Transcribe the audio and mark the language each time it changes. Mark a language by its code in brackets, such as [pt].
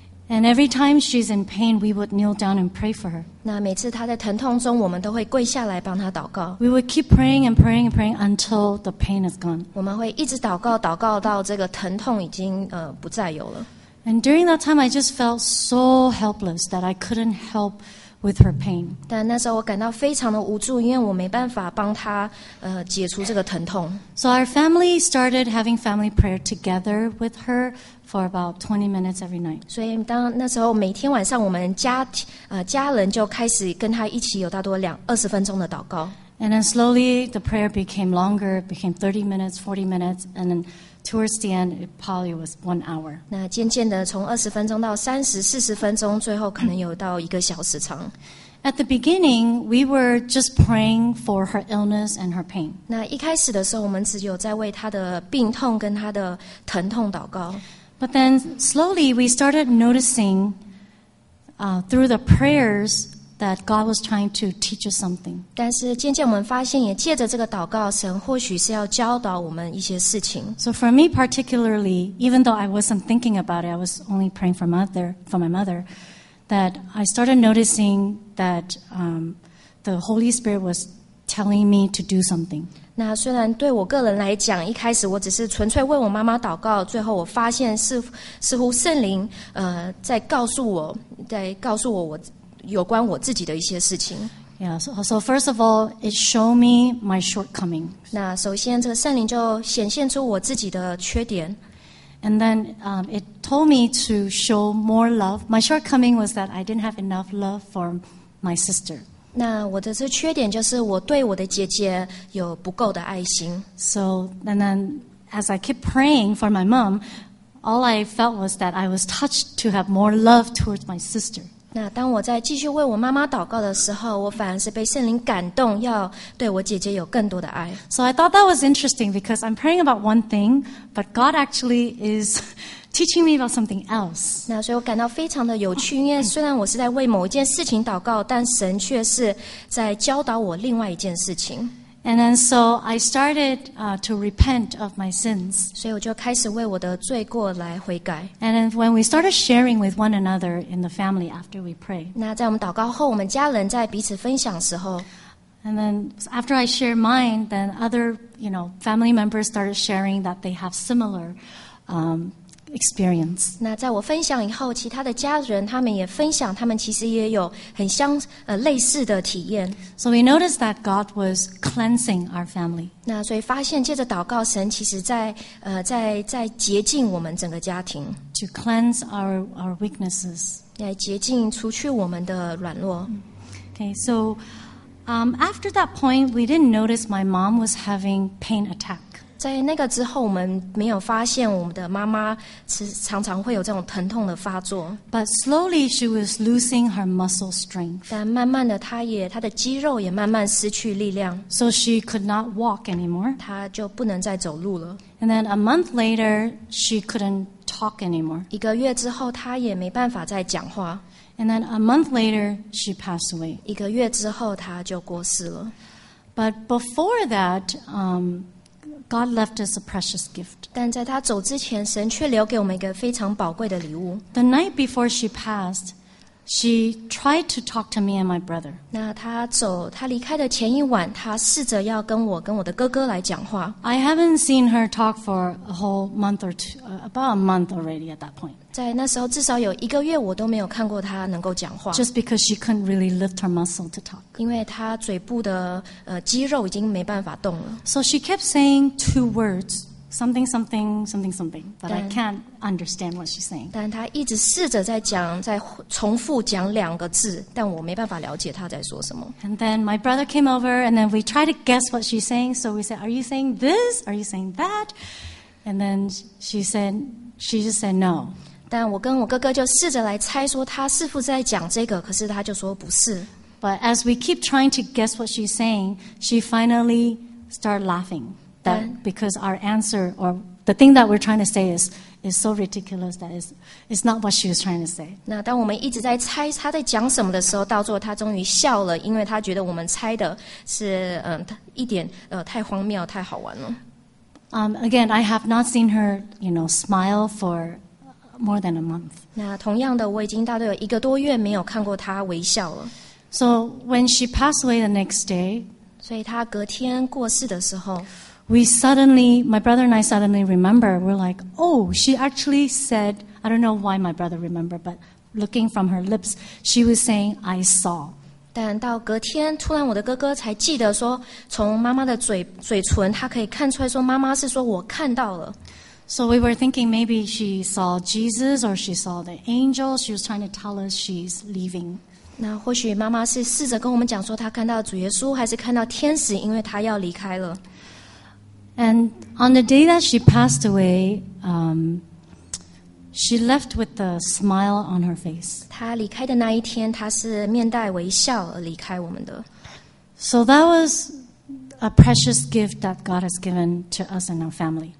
[en] And every time she's in pain, we would kneel down and pray for her. [zh] 那每次她在疼痛中，我们都会跪下来帮她祷告。 [en] We would keep praying and praying and praying until the pain is gone. [zh] 我们会一直祷告，祷告到这个疼痛已经不再有了。 [en] And during that time, I just felt so helpless that I couldn't help with her pain. [zh] 但那时候我感到非常的无助，因为我没办法帮她解除这个疼痛。 [en] So our family started having family prayer together with her. For about 20 minutes every night. [zh] 所以当那时候每天晚上，我们家人就开始跟他一起有大多20分钟的祷告。 [en] And then slowly the prayer became longer, became 30 minutes, 40 minutes, and then towards the end, it probably was 1 hour. [zh] 那渐渐的从20分钟到30-40分钟，最后可能有到一个小时长。 [en] At the beginning, we were just praying for her illness and her pain. [zh] 那一开始的时候，我们只有在为她的病痛跟她的疼痛祷告。 [en] But then slowly we started noticing through the prayers that God was trying to teach us something. [zh] 但是渐渐我们发现，也借着这个祷告，神或许是要教导我们一些事情。 [en] So for me particularly, even though I wasn't thinking about it, I was only praying for my mother, that I started noticing that the Holy Spirit was telling me to do something. [zh] 那虽然对我个人来讲，一开始我只是纯粹为我妈妈祷告，最后我发现似乎圣灵在告诉我我有关我自己的一些事情。 [en] Yeah, so first of all, it showed me my shortcoming. [zh] 那首先这个圣灵就显现出我自己的缺点。 [en] And then it told me to show more love. My shortcoming was that I didn't have enough love for my sister. [zh] 那我的这缺点就是我对我的姐姐有不够的爱心。 [en] So, and then as I kept praying for my mom, all I felt was that I was touched to have more love towards my sister. [zh] 那当我在继续为我妈妈祷告的时候，我反而是被圣灵感动，要对我姐姐有更多的爱。 [en] So I thought that was interesting because I'm praying about one thing, but God actually is teaching me about something else. [zh] 那所以我感到非常的有趣，因为虽然我是在为某一件事情祷告，但神却是在教导我另外一件事情。 [en] And then so I started to repent of my sins. [zh] 所以我就开始为我的罪过来悔改。 [en] And then when we started sharing with one another in the family after we pray. [zh] 那在我们祷告后，我们家人在彼此分享时候。 [en] And then after I share mine, then other, you know, family members started sharing that they have similar experience. [zh] 那在我分享以后，其他的家人他们也分享，他们其实也有很相类似的体验。 [en] So we noticed that God was cleansing our family. [zh] 那所以发现借着祷告，神其实在洁净我们整个家庭。 [en] To cleanse our weaknesses. [zh] 来洁净除去我们的软弱。 [en] Okay, so after that point, we didn't notice my mom was having pain attack. [zh] 在那个之后，我们没有发现我们的妈妈是常常会有这种疼痛的发作。 [en] But slowly she was losing her muscle strength. [zh] 但慢慢的，她的肌肉也慢慢失去力量。 [en] So she could not walk anymore. [zh] 她就不能再走路了。 [en] And then a month later, she couldn't talk anymore. [zh] 一个月之后，她也没办法再讲话。 [en] And then a month later, she passed away. [zh] 一个月之后，她就过世了。 [en] But before that, God left us a precious gift. [zh] 但在她走之前，神却留给我们一个非常宝贵的礼物。 [en] The night before she passed, she tried to talk to me and my brother. [zh] 那她走，她离开的前一晚，她试着要跟我跟我的哥哥来讲话。 [en] I haven't seen her talk for a whole month or two, about a month already at that point. [zh] 在那时候，至少有一个月，我都没有看过她能够讲话。 [en] Just because she couldn't really lift her muscle to talk. [zh] 因为她嘴部的肌肉已经没办法动了。 [en] So she kept saying two words. Something, something, something, something. But I can't understand what she's saying. [zh] 但她一直试着在讲，在重复讲两个字，但我没办法了解她在说什么。 [en] And then my brother came over, and then we tried to guess what she's saying. So we said, "Are you saying this? Are you saying that?" And then she just said no. [zh] 但我跟我哥哥就试着来猜说她是否在讲这个，可是她就说不是。 [en] But as we keep trying to guess what she's saying, she finally started laughing. That because our answer or the thing that we're trying to say is so ridiculous that it's not what she was trying to say. [zh] 那当我们一直在猜她在讲什么的时候，到最后她终于笑了，因为她觉得我们猜的是一点太荒谬太好玩了。 [en] Again, I have not seen her, you know, smile for more than a month. [zh] 那同样的，我已经大概有一个多月没有看过她微笑了。 [en] So when she passed away the next day, [zh] 所以她隔天过世的时候。 [en] We suddenly, my brother and I suddenly remember, we're like, oh, she actually said, I don't know why my brother remembered, but looking from her lips, she was saying, I saw. [zh] 但到隔天，突然我的哥哥才记得说，从妈妈的嘴唇，他可以看出来说，妈妈是说我看到了。 [en] So we were thinking maybe she saw Jesus or she saw the angels. She was trying to tell us she's leaving. [zh] 那或许妈妈是试着跟我们讲说她看到主耶稣还是看到天使，因为她要离开了。 [en] And on the day that she passed away, she left with a smile on her face. [zh] 她离开的那一天，她是面带微笑而离开我们的。 [en] So that was a precious gift that God has given to us and our family.